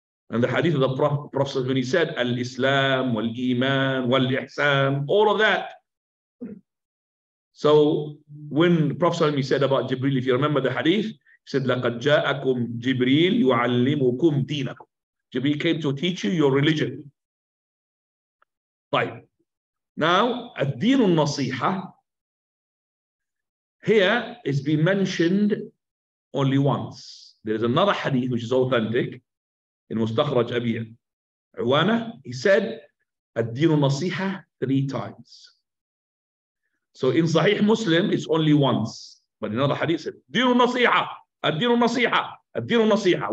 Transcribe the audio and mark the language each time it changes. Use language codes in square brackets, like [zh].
[en] And the hadith of the Prophet, when he said, Al-Islam, Wal-Iman, Wal-Ihsan, all of that. So when the Prophet said about Jibreel, if you remember the hadith, he said, [ar] لَقَدْ جَاءَكُمْ جِبْرِيلْ يُعَلِّمُكُمْ دِينَكُمْ. [en] Jibreel came to teach you your religion. [ar] طيب. [en] Now, [ar] الدين النصيحة. [en] Here, it's been mentioned only once. There is another hadith which is authentic. In Mustakhraj Abi Uwana, he said, [ar] Ad-Dinu Nasiha, [en] three times. So in Sahih Muslim, it's only once. But in another hadith, said, [ar] Ad-Dinu Nasiha, Ad-Dinu Nasiha, Ad-Dinu Nasiha.